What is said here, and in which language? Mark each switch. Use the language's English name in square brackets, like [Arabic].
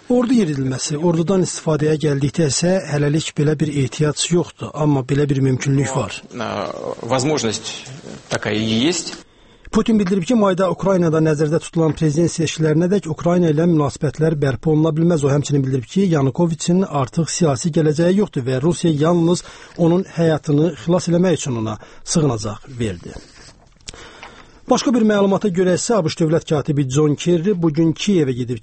[Azerbaijani] Ordu yeridilməsi, ordudan istifadəyə gəldikdə isə hələlik belə bir ehtiyac yoxdur, amma belə bir mümkünlük var. [Russian] Возможность такая есть. [Azerbaijani] Putin bildirib ki, mayda Ukraynada nəzərdə tutulan prezident seçkilərinə dək Ukrayna ilə münasibətlər bərpa oluna bilməz. O həmçinin bildirib ki, Yanukovicin artıq siyasi gələcəyi yoxdur və Rusiya yalnız onun həyatını xilas eləmək üçün ona sığınacaq verdi. Başqa bir məlumata görə isə ABŞ dövlət katibi John Kerry bugün Kiyevə gedib.